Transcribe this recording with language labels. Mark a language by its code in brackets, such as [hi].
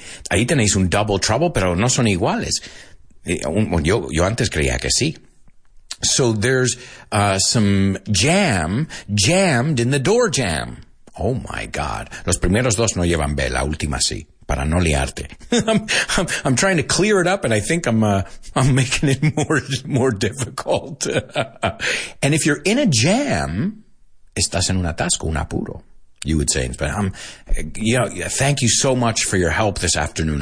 [es] Ahí tenéis un double trouble, pero no son iguales. Yo antes creía que sí. [en] So there's some jam jammed in the door jam. Oh, my God. [es] Los primeros dos no llevan B, la última sí. Para no liarte. [en] I'm trying to clear it up, and I think I'm making it more difficult. And if you're in a jam, [es] estás en un atasco, un apuro, [en] you would say. But thank you so much for your help this afternoon.